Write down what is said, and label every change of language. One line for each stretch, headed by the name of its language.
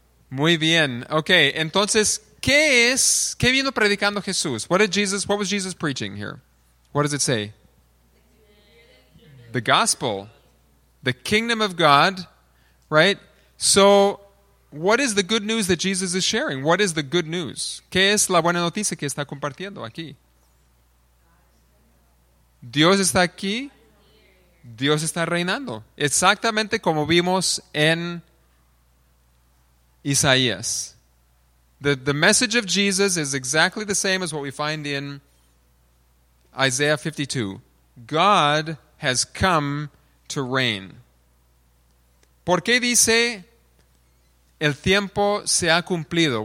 Spanish: Muy bien. Okay, entonces, ¿qué es? ¿Qué vino predicando Jesús?
English: What was Jesus preaching here? What does it say? The gospel, the kingdom of God, right? So, what is the good news that Jesus is sharing? What is the good news?
Spanish: ¿Qué es la buena noticia que está compartiendo aquí? Dios está aquí. Dios está reinando. Exactamente como vimos en Isaías.
English: The message of Jesus is exactly the same as what we find in Isaiah 52. God has come to reign.
Spanish: ¿Por qué dice el tiempo se ha cumplido?